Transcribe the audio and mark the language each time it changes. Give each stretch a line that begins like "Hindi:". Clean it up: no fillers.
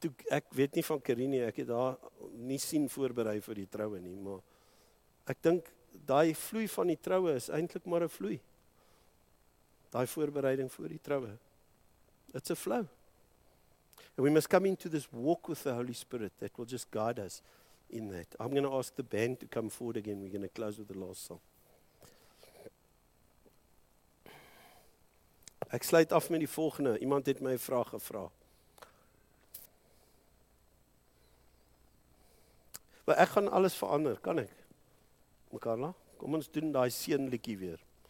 Afrikaans: Ek weet nie van Karine, ek het daar nie sien voorberei vir die troue nie, maar ek dink, die vloei van die troue is eintlik maar een vloei. Die voorbereiding voor die troue.
English: It's a flow. And we must come into this walk with the Holy Spirit that will just guide us in that. I'm going to ask the band to come forward again. We're going to close with the last song.
Afrikaans: Ek sluit af met die volgende. Iemand het my 'n vraag gevra. Maar ek gaan alles verander, kan ek? Mekarla, kom ons doen die seën liedjie weer.